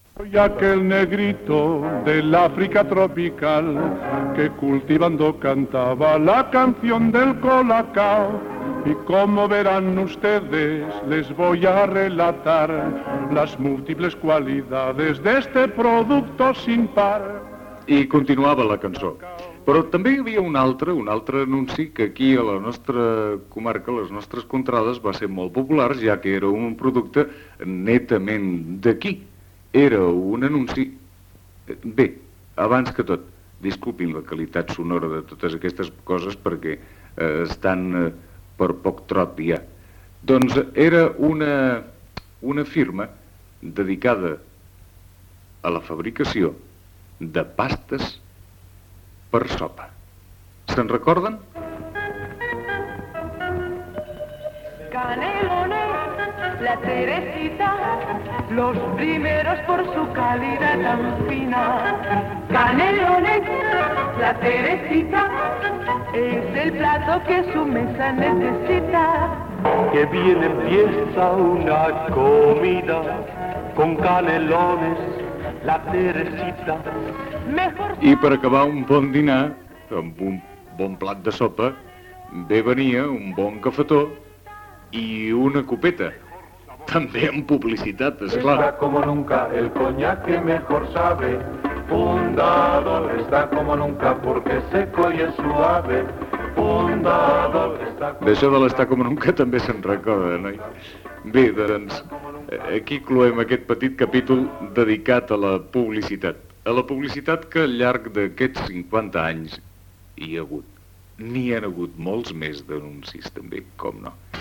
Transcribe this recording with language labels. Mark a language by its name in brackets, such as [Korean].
[Spanish] Y aquel negrito de l'Àfrica tropical que cultivando cantaba la canción del Colacao. Y como verán ustedes, les voy a relatar las múltiples cualidades de este producto sin par. [Catalan] I continuava la cançó. Però també hi havia un altre anunci que aquí a la nostra comarca, a les nostres contrades, va ser molt popular, ja que era un producte netament d'aquí. Era un anunci... Bé, abans que tot, disculpin la qualitat sonora de totes aquestes coses perquè estan... per poc trot, ja. Doncs era una firma dedicada a la fabricació de pastes per sopa. Se'n recorden? [Spanish] Canelone, la Teresita, los primeros por su calidad tan fina. Canelone, la Teresita, es el plato que su mesa necesita. Que bien empieza una comida con canelones, la Teresita. Mejor... [Catalan] I per acabar un bon dinar, amb un bon plat de sopa, bé venia un bon cafetó i una copeta. També amb publicitat, esclar. [Spanish] Está como nunca el coñac que mejor sabe. Fundador está como nunca porque seco y es suave. Fundador está como... [Catalan] D'això de l'estar com nunca també se'n recorda, noi? Bé, doncs, aquí cloem aquest petit capítol dedicat a la publicitat. A la publicitat que al llarg d'aquests 50 anys hi ha hagut. N'hi han hagut molts més d'anuncis, també, com no.